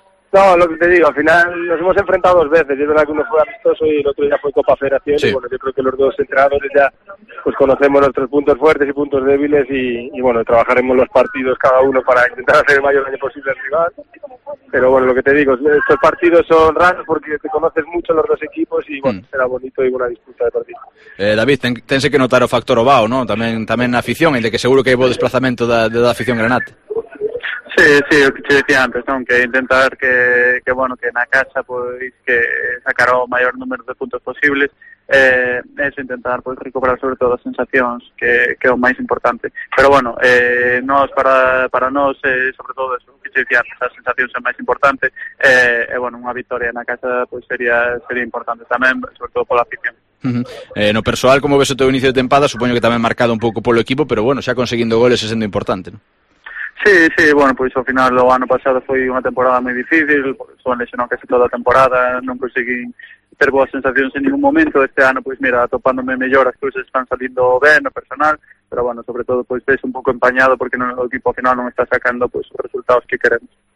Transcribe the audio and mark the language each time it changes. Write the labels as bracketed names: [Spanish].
[Spanish] No, lo que te digo, al final nos hemos enfrentado dos veces, es verdad que uno fue amistoso y el otro ya fue Copa Federación, sí. Y bueno, yo creo que los dos entrenadores ya pues conocemos nuestros puntos fuertes y puntos débiles y bueno, trabajaremos los partidos cada uno para intentar hacer el mayor daño posible al rival, pero bueno, lo que te digo, estos partidos son raros porque te conoces mucho los dos equipos y bueno, será bonito y buena disputa de partido. [Galician] David, tense que notar o factor Obao, ¿no? [Spanish] También afición, el de que seguro que hay buen desplazamiento de la afición granate. [Galician] Sí, o que te decía antes, non? Que intentar que bueno, que na casa pois que sacar o maior número de puntos posibles, eso intentar pois recuperar sobre todo as sensacións que é o máis importante. Pero bueno, nós para nós sobre todo eso, que te decía antes, as sensacións son máis importantes, bueno, unha victoria na casa pois sería importante tamén, sobre todo pola afición. No persoal, como ves o teu inicio de tempada, supoño que tamén marcado un pouco polo equipo, pero bueno, xa conseguindo goles e sendo importante, non? [Spanish] Sí, sí, bueno, pues al final el año pasado fue una temporada muy difícil, pues, bueno, lesionó casi toda la temporada, no conseguí tener buenas sensaciones en ningún momento, este año pues mira, topándome mejor, las cosas están saliendo bien, lo personal, pero bueno, sobre todo pues estoy un poco empañado porque no, el equipo al final no me está sacando pues los resultados que queremos.